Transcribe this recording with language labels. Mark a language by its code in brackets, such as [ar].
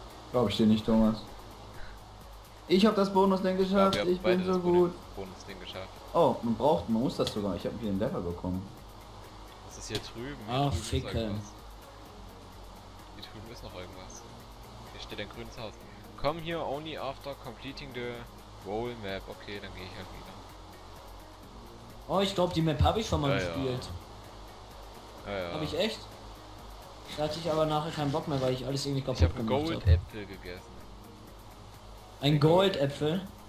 [de] Glaub ich dir nicht, Thomas. Ich hab das Bonus-Ding geschafft, ich bin so gut. Bonus-Ding geschafft. Oh, man braucht, man muss das sogar. Ich hab hier einen Level bekommen. Das ist hier drüben. Ach, ficken. Hier drüben ist noch irgendwas. Hier steht ein grünes Haus. [en] Come here only after completing the role map. [de] Okay, dann gehe ich halt wieder. Oh, ich glaube, die Map habe ich schon mal gespielt. Ja. Ja, ja. Hab ich echt? Da hatte ich aber nachher keinen Bock mehr, weil ich alles irgendwie kaputt gemacht habe. Ich habe Goldäpfel gegessen. Ein Goldäpfel?